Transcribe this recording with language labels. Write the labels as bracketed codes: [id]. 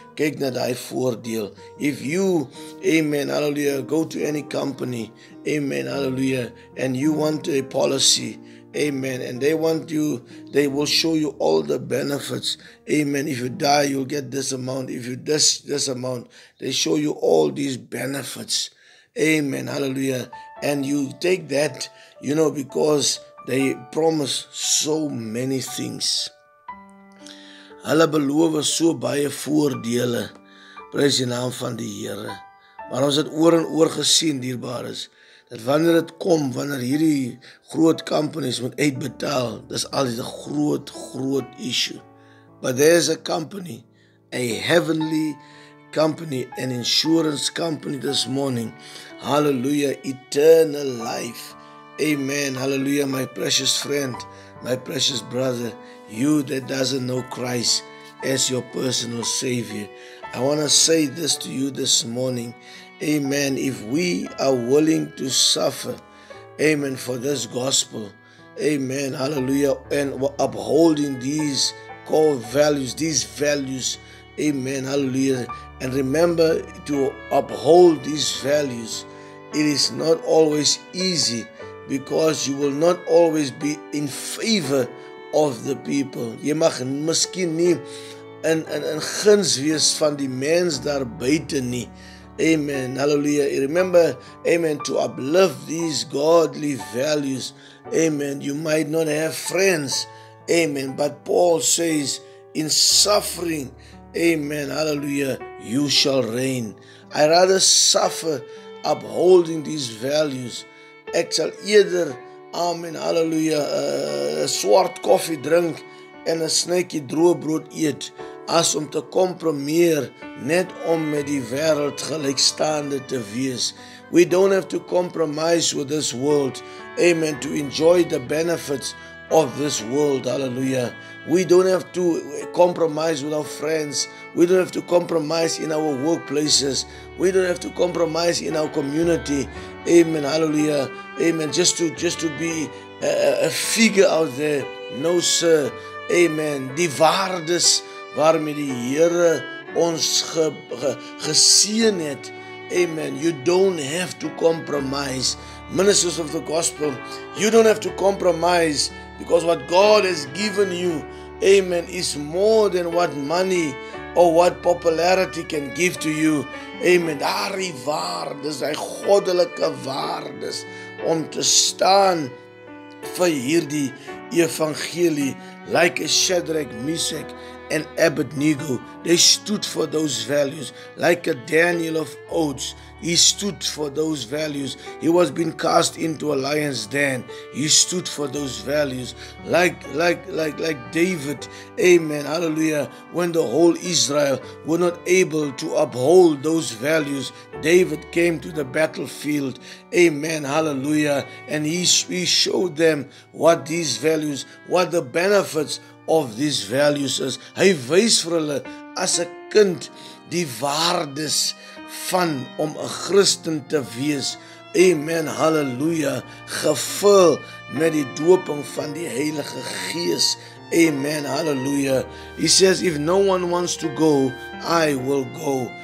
[af] Kijk na die voordeel. [en] If you, amen, hallelujah, go to any company, amen, hallelujah, and you want a policy, amen, and they want you, they will show you all the benefits, amen. If you die, you'll get this amount. If you this amount, they show you all these benefits, amen, hallelujah. And you take that, you know, because they promise so many things. [af] Hulle beloof so baie voordele, prys die naam van die Here. Maar ons het oor en oor gesien, dierbares, dat wanneer het kom, wanneer hierdie groot companies moet uitbetaal, dis altyd 'n groot, groot issue. [en] But there is a company, a heavenly company, an insurance company this morning. Hallelujah, eternal life. Amen, hallelujah, my precious friend, my precious brother, you that doesn't know Christ as your personal Savior. I want to say this to you this morning. Amen. If we are willing to suffer, amen, for this gospel, amen, hallelujah, and upholding these core values, these values, amen, hallelujah. And remember, to uphold these values, it is not always easy, because you will not always be in favor of the people. [af] Jy mag miskien nie in guns wees van die mens daar buite nie. [en] Amen, hallelujah. Remember, amen, to uplift these godly values. Amen, you might not have friends. Amen, but Paul says, in suffering, amen, hallelujah, you shall reign. I rather suffer upholding these values. [af] Ek sal eerder, amen, hallelujah, swart koffie drink en 'n snykie droë brood eet, as om te kompromieer net om met die wêreld gelykstaande te wees. [en] We don't have to compromise with this world, amen, to enjoy the benefits of this world, hallelujah. We don't have to compromise with our friends. We don't have to compromise in our workplaces. We don't have to compromise in our community. Amen, hallelujah. Amen, just to be a figure out there. No, sir. Amen. [af] Die waardes waarmee die Here ons geseën het. [en] Amen. You don't have to compromise. Ministers of the gospel, you don't have to compromise, because what God has given you, amen, is more than what money or what popularity can give to you. [af] Amen. Daardie waardes, daai goddelike waardes om te staan vir hierdie evangelie, [en] like a [af] Shadrach, Meshach, and Abednego. [en] They stood for those values, like a Daniel of Oats. He stood for those values. He was being cast into a lion's den. He stood for those values, like David. Amen. Hallelujah. When the whole Israel were not able to uphold those values, David came to the battlefield. Amen. Hallelujah. And he showed them what these values, what the benefits of these values is. [af] Hy wys vir hulle as 'n kind die waardes van om 'n Christen te wees. Amen, hallelujah, gevul met die dooping van die Heilige Gees. [en] Amen, hallelujah. He says, if no one wants to go, I will go.